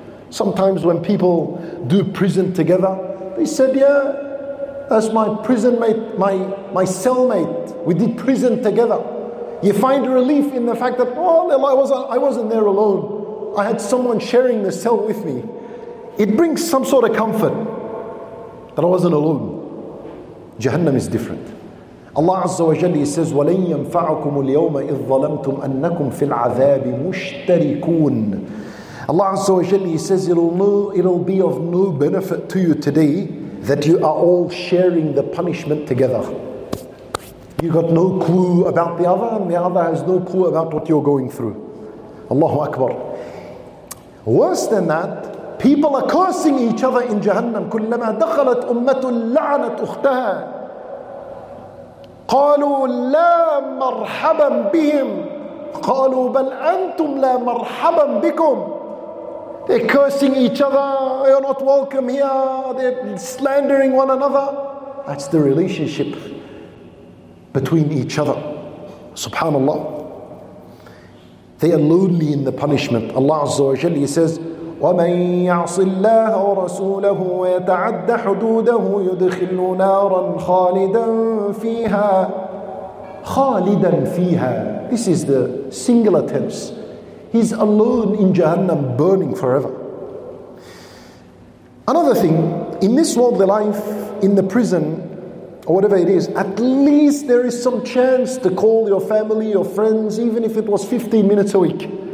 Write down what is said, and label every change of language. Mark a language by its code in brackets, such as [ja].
[en] Sometimes when people do prison together, they said, yeah, that's my prison mate, my cellmate. We did prison together. You find relief in the fact that, I wasn't there alone. I had someone sharing the cell with me. It brings some sort of comfort that I wasn't alone. Jahannam is different. Allah Azza wa Jalla says, [ar] وَلَنْ يَنْفَعُكُمُ الْيَوْمَ إِذْ ظَلَمْتُمْ أَنَّكُمْ فِي الْعَذَابِ مُشْتَرِكُونَ. [en] Allah Azza wa Jalla says, it'll be of no benefit to you today that you are all sharing the punishment together. You got no clue about the other, and the other has no clue about what you're going through. Allahu Akbar. Worse than that, people are cursing each other in Jahannam. [ar] كُلَّمَا دَخَلَتْ أُمَّةٌ لَعَنَتْ أُخْتَهَا قَالُوا لَا مَرْحَبًا بِهِمْ قَالُوا بَلْ أَنْتُمْ لَا مَرْحَبًا بِكُمْ. [en] They're cursing each other, you're not welcome here, they're slandering one another. That's the relationship between each other. Subhanallah. They are lonely in the punishment. Allah Azza wa Jalla says, [ar] وَمَنْ يَعْصِ اللَّهَ وَرَسُولَهُ وَيَتَعَدَّ حُدُودَهُ يُدْخِلُّ نَارًا خَالِدًا فِيهَا خَالِدًا فِيهَا. [en] This is the singular tense. He's alone in Jahannam, burning forever. Another thing, in this worldly life, in the prison, or whatever it is, at least there is some chance to call your family, your friends, even if it was 15 minutes a week.